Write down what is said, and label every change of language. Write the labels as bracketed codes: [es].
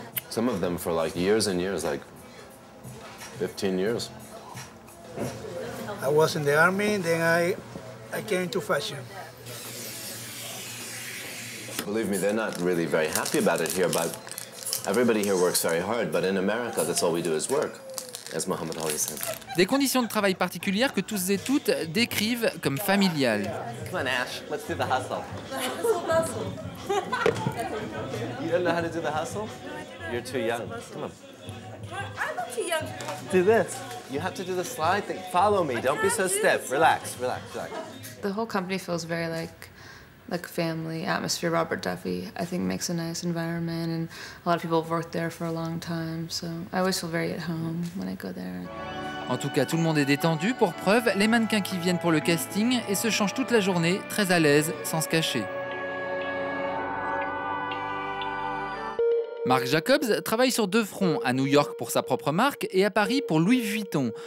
[en] Some of them for like years and years, like 15 years. I was in the army, then I came into fashion. Believe me, they're not really very happy about it here, but everybody here works very hard, but in America, that's all we do is work. As Muhammad Ali said. [fr] Des conditions de travail particulières que tous et toutes décrivent comme familiales. [en] Come on, Ash, let's do the hustle. The hustle. You don't know how to do the hustle? No, I don't know. You're too young. Come on. I'm not too young. Do this. You have to do the slide thing. Follow me. Don't be so stiff. Relax, relax, relax. The whole company feels very like family atmosphere. Robert Duffy, I think, makes a nice environment, and a lot of people have worked there for a long time, so I always feel very at home when I go there. [fr] En tout cas, tout le monde est détendu. Pour preuve, les mannequins qui viennent pour le casting et se changent toute la journée, très à l'aise, sans se cacher. Marc Jacobs travaille sur deux fronts, à New York pour sa propre marque et à Paris pour Louis Vuitton.